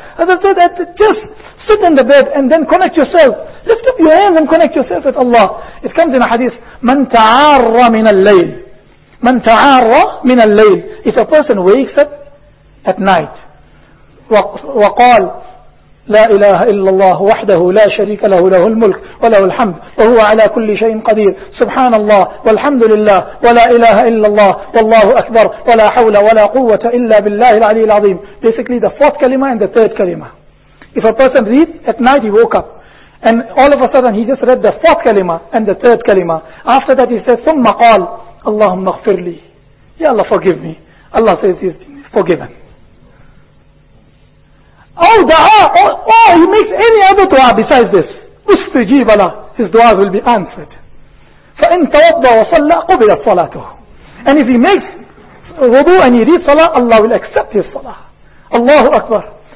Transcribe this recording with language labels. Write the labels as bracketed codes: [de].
[en] Hazrat said that just sit in the bed and then connect yourself. Lift up your hands and connect yourself with Allah. It comes in a hadith, [ar] مَنْ تَعَارَّ مِنَ اللَّيْلِ [en] مَنْ تَعَارَّ مِنَ اللَّيْلِ. If a person wakes up at night, [ar] وَقَالْ لا إله إلا الله وحده لا شريك له, له الملك وله الحمد وهو على كل شيء قدير. سبحان الله والحمد لله ولا إله إلا الله والله أكبر ولا حول ولا قوة إلا بالله العلي العظيم. [en] Basically the fourth kalima and the third kalima. If a person reads at night, he woke up and all of a sudden he just read the fourth kalima and the third kalima. After that he said [ar] ثم قال اللهم اغفر لي. [en] Ya Allah forgive me. Allah says he's forgiven. He makes any other dua besides this. [ar] استجيب له, [en] his duas will be answered. [ar] فإن توضى وصلى قبلت صلاته. [en] And if he makes wudu and he reads salah, Allah will accept his salah. Allahu Akbar.